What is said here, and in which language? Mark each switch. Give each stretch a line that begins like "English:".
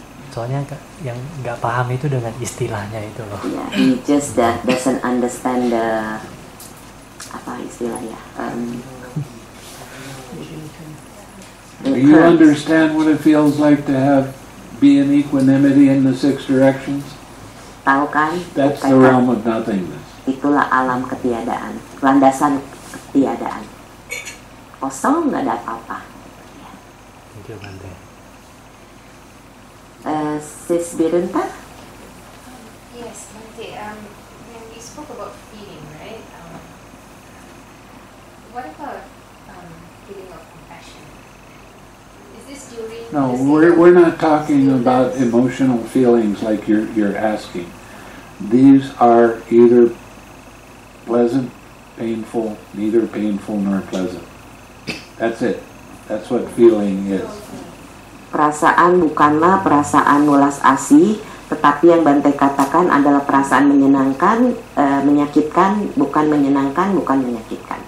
Indonesian: Soalnya yang nggak paham itu dengan istilahnya itu loh.
English: Ya, yeah, he just that doesn't understand the
Indonesian: apa istilahnya.
English: Do you understand what it feels like to have be in equanimity in the six directions?
Indonesian: Tahu kan?
English: That's the realm of nothingness.
Indonesian: Itulah alam ketiadaan, landasan ketiadaan. kosong, nggak ada apa-apa.
English: Thank you, Bante. Sis Birunta? Yes, Bante. When we spoke about feeling, right? What about feeling of compassion? Is this during... No, we're not talking students? About emotional feelings like you're asking. These are either pleasant, painful, neither painful nor pleasant. That's it. That's what feeling is.
Indonesian: Perasaan bukanlah perasaan welas asih, tetapi yang Bante katakan adalah perasaan menyenangkan, menyakitkan, bukan menyenangkan, bukan menyakitkan.